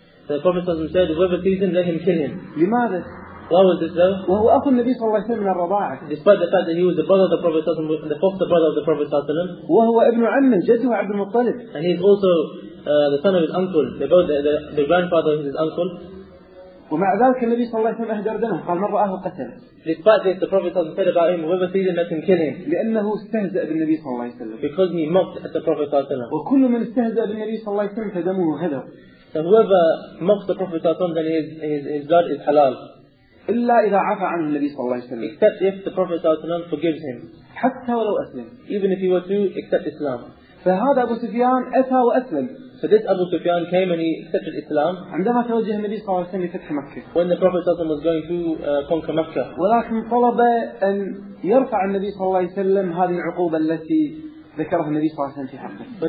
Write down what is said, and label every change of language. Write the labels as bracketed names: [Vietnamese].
[English] The Prophet said, whoever sees him, let him kill him. [Arabic] لماذا? [English] Why was this though? [Arabic] وهو أخو النبي صلى الله عليه وسلم من الرضاعة. [English] Despite the fact that he was the brother of the Prophet صلى الله عليه وسلم, the foster brother of the Prophet صلى الله عليه وسلم. [Arabic] وهو ابن عم جده عبد المطلب. [English] And he's also the son of his uncle, the grandfather of his uncle. [Arabic] ومع ذلك النبي صلى الله عليه وسلم أهدر دمه قال من رآه قتله. [English] Despite this, the Prophet صلى الله عليه وسلم said about him, whoever sees him, let him kill him. [Arabic] لأنه استهزأ بالنبي صلى الله عليه وسلم. [English] Because he mocked at the Prophet صلى الله عليه وسلم. [Arabic] وكل من استهزأ بالنبي صلى الله عليه وسلم فدمه هدر. [English] So whoever mocks the Prophet صلى الله عليه وسلم, then his blood is halal. [Arabic] إلا إذا عفى عنه النبي صلى الله عليه وسلم. [English] Except if the Prophet صلى الله عليه وسلم forgives him. [Arabic] حتى ولو أسلم. [English] Even if he were to accept Islam. [Arabic] فهذا أبو سفيان أتى وأسلم. [English] So this Abu Sufyan came and he accepted Islam. [Arabic] عندما توجه النبي صلى الله عليه وسلم لفتح مكة. [English] When the Prophet صلى الله عليه وسلم was going to conquer Mecca. [Arabic] ولكن طلب أن يرفع النبي صلى الله عليه وسلم هذه العقوبة التي ذكره النبي صلى الله عليه وسلم في حقه.